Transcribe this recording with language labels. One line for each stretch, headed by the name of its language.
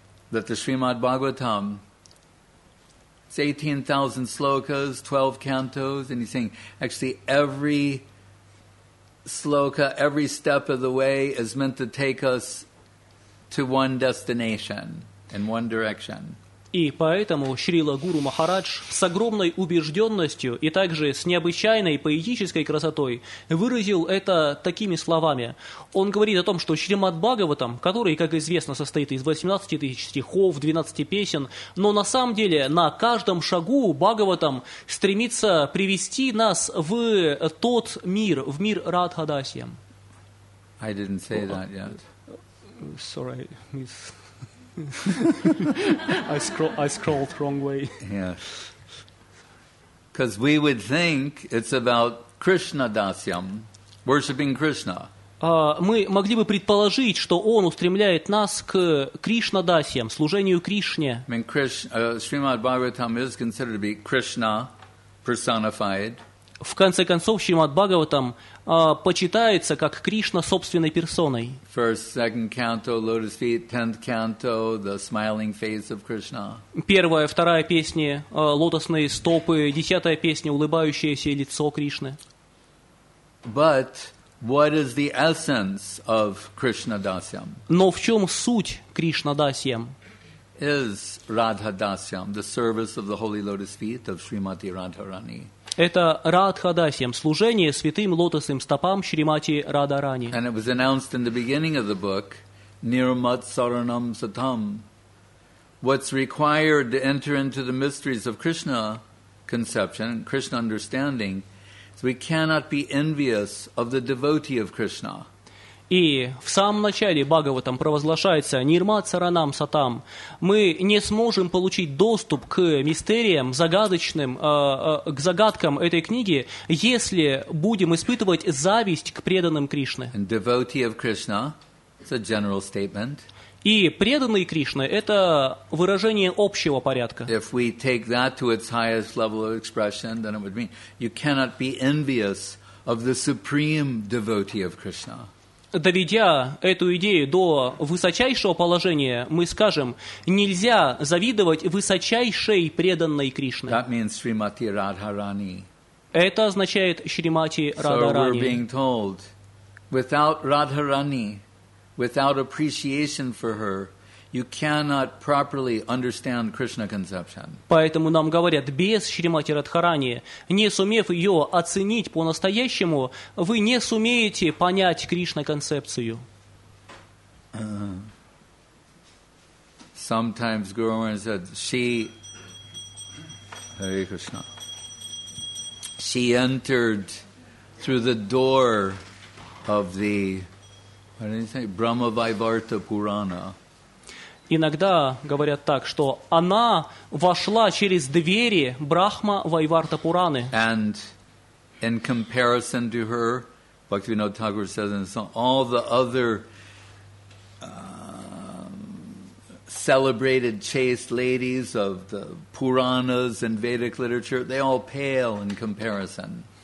English: That the Srimad Bhagavatam, it's 18,000 slokas, 12 cantos, and he's saying actually every sloka, every step of the way is meant to take us to one destination, in one direction.
Russian: И поэтому Шрила Гуру Махарадж с огромной убежденностью и также с необычайной поэтической красотой выразил это такими словами. Он говорит о том, что Шримад Бхагаватам, который, как известно, состоит из 18 тысяч стихов, 12 песен, но на самом деле на каждом шагу Бхагаватам стремится привести нас в тот мир, в мир Радхадасия.
English: I didn't say that yet. Sorry, miss. I scrolled wrong way. Yes. Because we would think it's about Krishna Dasyam, worshipping Krishna.
Russian: Мы могли бы предположить, что он устремляет нас к Кришна Дасьям, служению Кришне.
English: I mean, Srimad Bhagavatam is considered to be Krishna personified.
Russian: В конце концов, Шримад Бхагаватам почитается как Кришна собственной персоной.
English: First, second canto, lotus feet, tenth canto, the smiling face of Krishna.
Russian: Первая, вторая песни, лотосные стопы, десятая песня, улыбающееся лицо Кришны.
English: But what is the essence of Krishna Dasyam?
Russian: Но в чем суть Кришна Дасьям?
English: Is Radha Dasyam, the service of the holy lotus feet of Srimati Radharani.
Russian: Это Радхадасьям, служение святым лотосным стопам Шримати Радарани.
English: And it was announced in the beginning of the book, Nirmat Saranam Satam. What's required to enter into the mysteries of Krishna conception, Krishna understanding, is we cannot be envious of the devotee of Krishna.
Russian: И в самом начале Бхагаватам провозглашается «Нирмат Саранам Сатам». Мы не сможем получить доступ к мистериям, загадочным, к загадкам этой книги, если будем испытывать зависть к преданным Кришны.
English: And devotee of Krishna, it's a general statement.
Russian: И преданные Кришны – это выражение общего порядка.
English: If we take that to its highest level of expression, then it would mean you cannot be envious of the supreme devotee of Krishna.
Russian: Доведя эту идею до высочайшего положения, мы скажем, нельзя завидовать высочайшей преданной Кришне.
English: That means Srimati Radharani.
Russian: Это означает Шримати Радхарани.
English: So we're being told, without Radharani, without appreciation for her, you cannot properly understand Krishna conception.
Russian: Поэтому нам говорят, без Шримати Радхарани, не сумев ее оценить по-настоящему, вы не сумеете понять Кришна концепцию.
English: Sometimes Guru Maharaj said, she, Hare Krishna, she entered through the door of the, what did he say, Brahma Vaivarta Purana.
Russian: Иногда говорят так, что она вошла через двери Брахма Вайварта Пураны.
English: And in comparison to her, Bhaktivinoda Thakur says in the song, all the other celebrated chaste ladies of the Puranas and Vedic literature, they all pale in comparison.